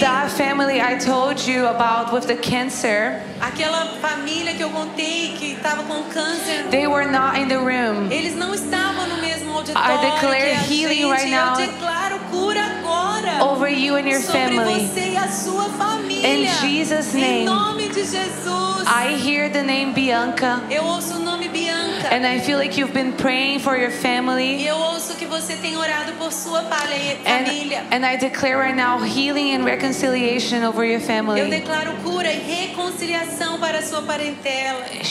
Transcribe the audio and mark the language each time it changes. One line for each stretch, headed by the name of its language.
English: That family I told you about with the cancer.
Portuguese: Aquela família que eu contei que estava com câncer.
English: They were not in the room.
Portuguese: Eles não estavam no mesmo auditório.
English: I declare healing right now.
Portuguese: Eu declaro cura agora.
English: Over you and your
Portuguese: sobre
English: family.
Portuguese: Você e a sua família.
English: In Jesus' name.
Portuguese: Em nome de Jesus.
English: I hear the name Bianca.
Portuguese: Eu ouço o nome Bianca.
English: And I feel like you've been praying for your family. And I declare right now healing and reconciliation over your family.
Portuguese: Eu declaro cura e reconciliação para sua parentela.